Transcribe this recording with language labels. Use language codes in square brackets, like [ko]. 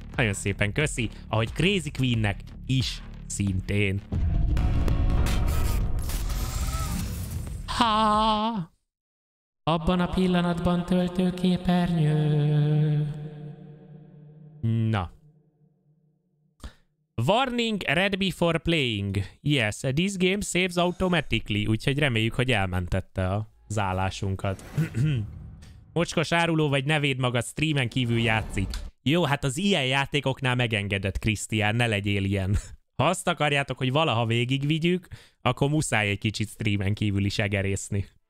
[hu] Nagyon szépen köszi, ahogy Crazy Queennek is szintén. Ha. Abban a pillanatban töltőképernyő. Na. [en] Warning, read before playing. Yes, this game saves automatically. [hu] Úgyhogy reméljük, hogy elmentette az állásunkat. Mocskos áruló vagy, ne védd magad, streamen kívül játszik. Jó, hát az ilyen játékoknál megengedett, Krisztián, ne legyél ilyen. Ha azt akarjátok, hogy valaha végigvigyük, akkor muszáj egy kicsit streamen kívül is egerészni.